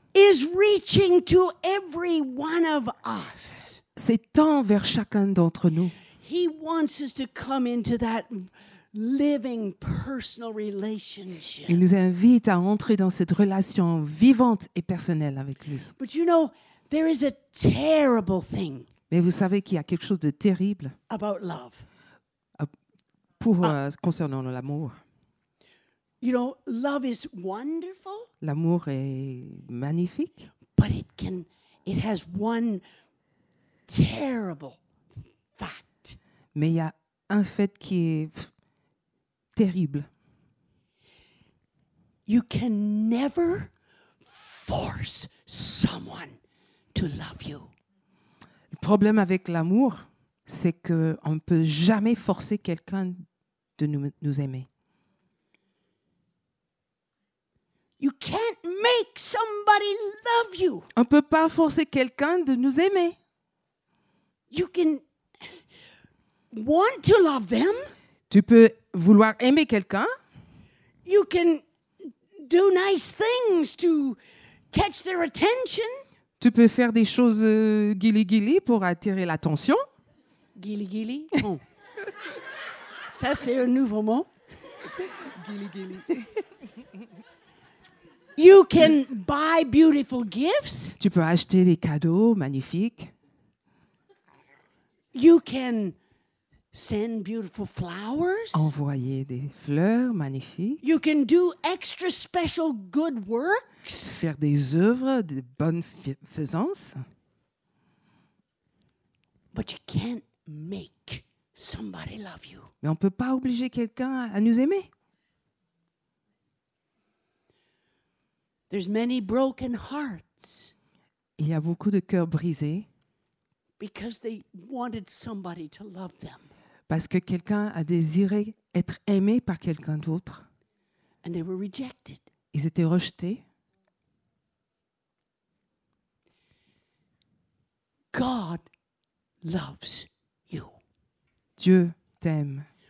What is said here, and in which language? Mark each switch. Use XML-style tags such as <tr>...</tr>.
<en>Is reaching to every one of us.</en> <fr>s'étend vers chacun d'entre nous.</fr> <en>He wants us to come into that living personal relationship.</en> <fr>Il nous invite à entrer dans cette relation vivante et personnelle avec lui.</fr> <en>But you know, there is a terrible thing.</en> <fr>Mais vous savez qu'il y a quelque chose de terrible</fr> <en>about love.</en> <fr>Pour concernant l'amour.</fr> <en>You know, love is wonderful.</en> <fr>L'amour est magnifique.</fr> <en>But it has one terrible fact.</en> <fr>Mais il y a un fait qui est terrible.</fr> <en>You can never force someone to love you.</en> <fr>Le problème avec l'amour, c'est que on ne peut jamais forcer quelqu'un de nous aimer.</fr> <en>You can't make somebody love you.</en> <fr>On ne peut pas forcer quelqu'un de nous aimer.</fr> <en>You can want to love them.</en> <fr>Tu peux vouloir aimer quelqu'un.</fr> <en>You can do nice things to catch their attention.</en> <fr>Tu peux faire des choses guili-guili pour attirer l'attention. Guili-guili. Bon. Ça, c'est un nouveau mot. Guili-guili.</fr> <en>You can buy beautiful gifts.</en> <fr>Tu peux acheter des cadeaux magnifiques.</fr> <en>You can send beautiful flowers.</en> <fr>Envoyer des fleurs magnifiques.</fr> <en>You can do extra special good works.</en> <fr>Faire des œuvres de bonne faisance.</fr> <en>But you can't make somebody love you.</en> <fr>Mais on peut pas obliger quelqu'un à nous aimer.</fr> <en>There's many broken hearts.</en> <fr>Il y a beaucoup de cœurs brisés.</fr> <en>Because they wanted somebody to love them.</en> <fr>Parce que quelqu'un a désiré être aimé par quelqu'un d'autre.</fr> <en>And they were rejected.</en> <fr>Ils étaient rejetés.</fr> <en>God loves you.</en> <fr>Dieu t'aime.</fr>